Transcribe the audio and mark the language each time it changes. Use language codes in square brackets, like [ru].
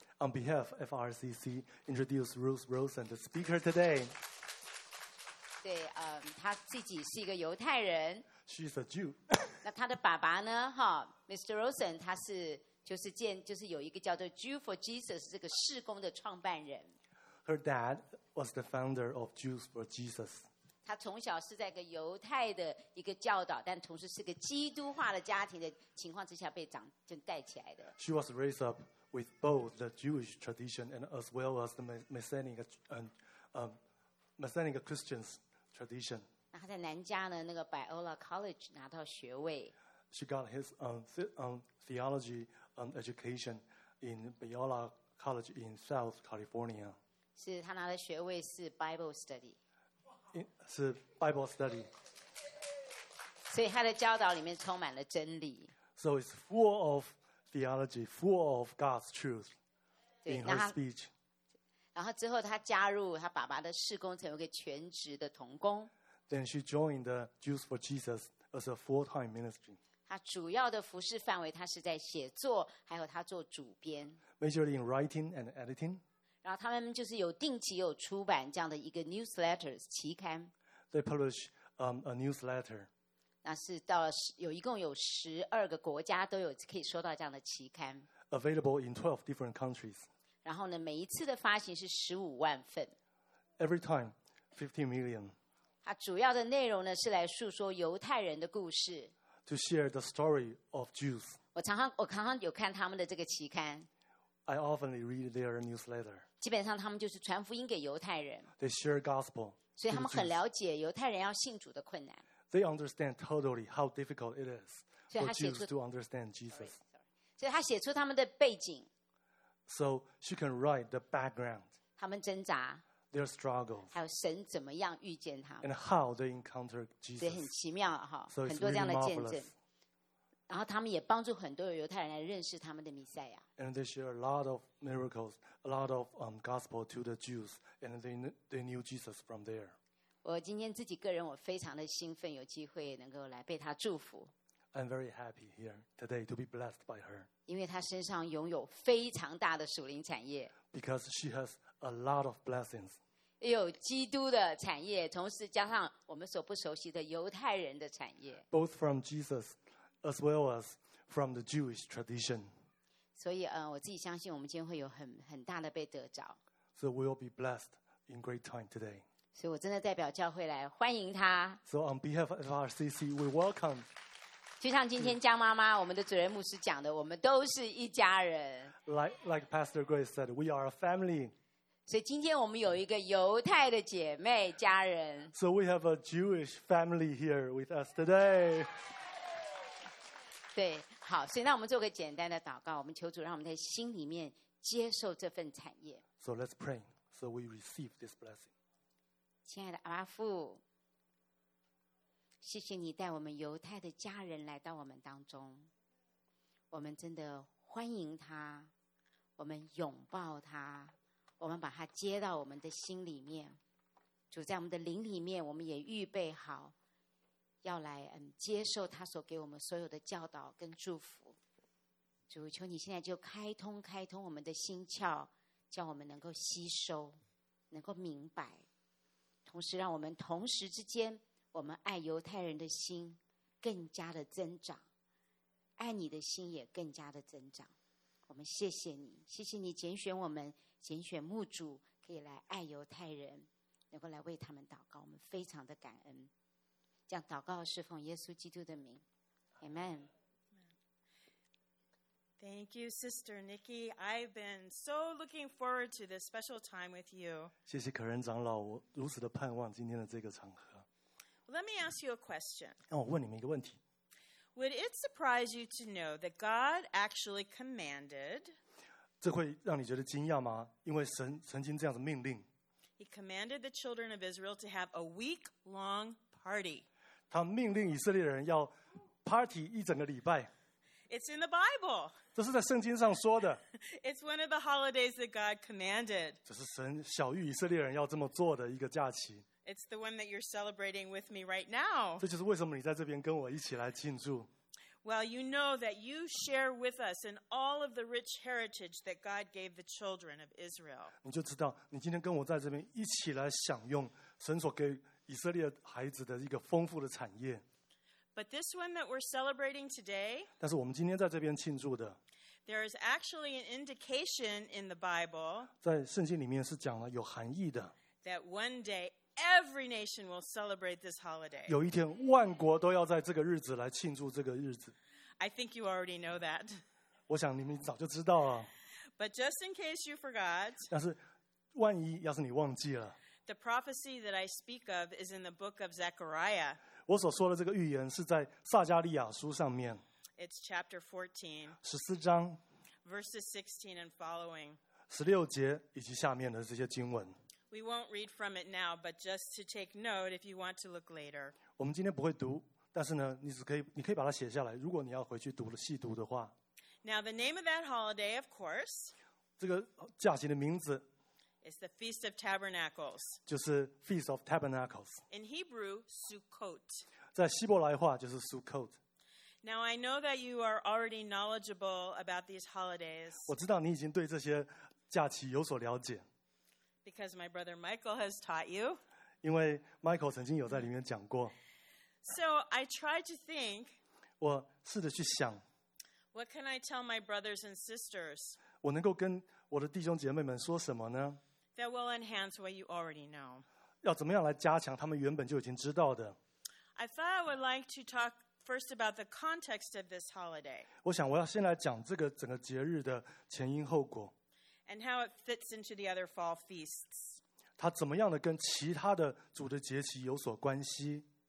[en] On behalf of FRCC, introduce Ruth Rosen, the speaker today. [zh] 对，她自己是一个犹太人。 [en] She's a Jew. [zh] 那她的爸爸呢？哈 ，Mr. Rosen， 他是就是建就是有一个叫做 Jew for Jesus 这个事工的创办人。 [en] Her dad was the founder of Jews for Jesus. [zh] 他从小是在一个犹太的一个教导，但同时是个基督化的家庭的情况之下被长就带起来的。 [en] She was raised up. With both the Jewish tradition and as well as the Messianic Christians tradition. [zh] 那他在南加呢，那个 Biola College 拿到学位。 [en] She got his theology education in Biola College in South California. [zh] 是他拿的学位是 Bible study. 是 Bible study. 所以他的教导里面充满了真理。 [en] So it's full of. Theology full of God's truth in her speech. [zh] 然后之后他加入他爸爸的事工，成为一个全职的童工。 [en] Then she joined the Jews for Jesus as a full-time ministry. [zh] 他主要的服事范围，他是在写作，还有他做主编。 [en] Majorly in writing and editing. [zh] 然后他们就是有定期有出版这样的一个 newsletters 期刊。 [en] They publish a newsletter. [zh] 那是到有一共有十二个国家都有可以收到这样的期刊 [en] ，available in 12 different countries。 [zh] 然后呢，每一次的发行是150,000份 [en] ，every time 15 million。 [zh] 它主要的内容呢是来述说犹太人的故事 [en] ，to share the story of Jews。 [zh] 我常常有看他们的这个期刊 [en] ，I often read their newsletter。 [zh] 基本上他们就是传福音给犹太人 [en] ，they share gospel。 [zh] 所以他们很了解犹太人要信主的困难。 [en] They understand totally how difficult it is for Jews to understand Jesus. So he [zh] 写出他们的背景 [en] So she can write the background. [zh] 他们挣扎 [en] Their struggles. [zh] 还有神怎么样遇见他们 [en] And how they encounter Jesus. [zh] 很奇妙哈，很多这样的见证。然后他们也帮助很多犹太人来认识他们的弥赛亚 [en] And they share a lot of miracles, a lot of gospel to the Jews, and they knew Jesus from there. [zh] 我今天自己个人我非常的兴奋有机会能够来被他祝福 [en] I'm very happy here today to be blessed by her. [zh] 因为她身上拥有非常大的属灵产业。 [en] Because she has a lot of blessings. [zh] 也有基督的产业，同时加上我们所不熟悉的犹太人的产业。 [en] Both from Jesus, as well as from the Jewish tradition. [zh] 所以，我自己相信我们今天会有很大的被得着。 [en] So we'll be blessed in great time today. [zh] 所以我真的代表教会来欢迎他。 [en] So on behalf of FRCC, we welcome. [zh] 就像今天江妈妈，我们的主任牧师讲的，我们都是一家人。 [en] Like Pastor Grace said, we are a family. [zh] 所以今天我们有一个犹太的姐妹家人。 [en] So we have a Jewish family here with us today. [zh] 对，好，所以那我们做个简单的祷告，我们求主让我们在心里面接受这份产业。 [en] So let's pray, so we receive this blessing. [zh] 亲爱的阿爸父，谢谢你带我们犹太的家人来到我们当中，我们真的欢迎他，我们拥抱他，我们把他接到我们的心里面。主，在我们的灵里面，我们也预备好要来接受他所给我们所有的教导跟祝福。主，求你现在就开通我们的心窍，叫我们能够吸收，能够明白，同时让我们同时之间，我们爱犹太人的心更加的增长，爱你的心也更加的增长。我们谢谢你，谢谢你拣选我们，拣选牧主可以来爱犹太人，能够来为他们祷告，我们非常的感恩。这样祷告是奉耶稣基督的名， Amen。 [en] Thank you, Sister Nikki. I've been so looking forward to this special time with you. [zh] 谢谢可仁长老，我如此的盼望今天的这个场合。 [en] Let me ask you a question. [zh] 让我问你们一个问题。 [en] Would it surprise you to know that God actually commanded? [zh] 这会让你觉得惊讶吗？因为神曾经这样子命令。 [en] He commanded the children of Israel to have a week-long party. [zh] 他命令以色列人要 party 一整个礼拜。 [en] It's in the Bible. [zh] 这是在圣经上说的。 [en] It's one of the holidays that God commanded. [zh] 这是神晓谕以色列人要这么做的一个假期。 [en] It's the one that you're celebrating with me right now. [zh] 这就是为什么你在这边跟我一起来庆祝。 [en] Well, you know that you share with us in all of the rich heritage that God gave the children of Israel. [zh] 你就知道，你今天跟我在这边一起来享用神所给以色列孩子的一个丰富的产业。 [en] But this one that we're celebrating today, [zh] 但是我们今天在这边庆祝的, [en] there is actually an indication in the Bible, [zh] 在圣经里面是讲了有含义的, [en] that one day every nation will celebrate this holiday. [zh] 有一天万国都要在这个日子来庆祝这个日子。 [en] I think you already know that. [zh] 我想你们早就知道了。 [en] But just in case you forgot, [zh] 但是万一要是你忘记了, [en] the prophecy that I speak of is in the book of Zechariah. [zh] 我所说的这个预言是在撒迦利亚书上面。 [en] It's chapter 14. [zh] 十四章。 [en] Verses 16 and following. [zh] 十六节以及下面的这些经文。 [en] We won't read from it now, but just to take note if you want to look later. [zh] 我们今天不会读，但是呢，你可以把它写下来，如果你要回去读了细读的话。 [en] Now the name of that holiday, of course. [zh] 这个假期的名字。 [en] It's the Feast of Tabernacles. [zh] 就是 Feast of Tabernacles. [en] In Hebrew, Sukkot. [zh] 在希伯来话就是 Sukkot. [en] Now I know that you are already knowledgeable about these holidays. [zh] 我知道你已经对这些假期有所了解。 [en] Because my brother Michael has taught you. [zh] 因为 Michael 曾经有在里面讲过。 [en] So I tried to think. [zh] 我试着去想。 [en] What can I tell my brothers and sisters? [zh] 我能够跟我的弟兄姐妹们说什么呢? [en] That will enhance what you already know. [zh] 要怎么样来加强他们原本就已经知道的? [en] I thought I would like to talk first about the context of this holiday. [zh] 我想我要先来讲这个整个节日的前因后果。 [en] And how it fits into the other fall feasts. [zh] 它怎么样的跟其他的主的节期有所关系?